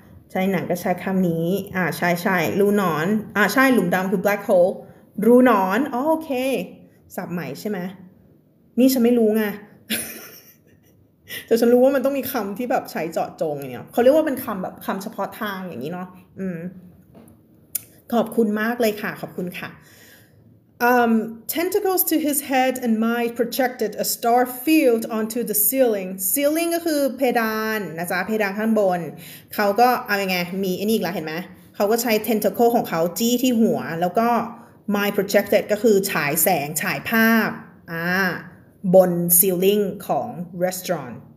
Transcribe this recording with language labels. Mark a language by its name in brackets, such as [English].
[Thai] ใช่หนังก็ใช้คำนี้ใช่ๆรูหนอนใช่หลุมดำคือ black hole รูหนอนอ๋อโอเคศัพท์ใหม่ใช่ไหมนี่ฉันไม่รู้ไง แต่ฉันรู้ว่ามันต้องมีคำที่แบบใช้เจาะจงเนี่ยเขาเรียกว่าเป็นคำแบบคำเฉพาะทางอย่างนี้เนาะขอบคุณมากเลยค่ะขอบคุณค่ะ [English] Tentacles to his head and Mai projected a star field onto the ceiling. [Thai] Ceiling ก็คือเพดานนะจ๊ะเพดานข้างบนเขาก็เอายังไงมีอันนี้อีกแล้วเห็นไหมเขาก็ใช้ tentacle ของเขาจี้ที่หัวแล้วก็ Mai projected ก็คือฉายแสงฉายภาพบน ceiling ของ restaurant.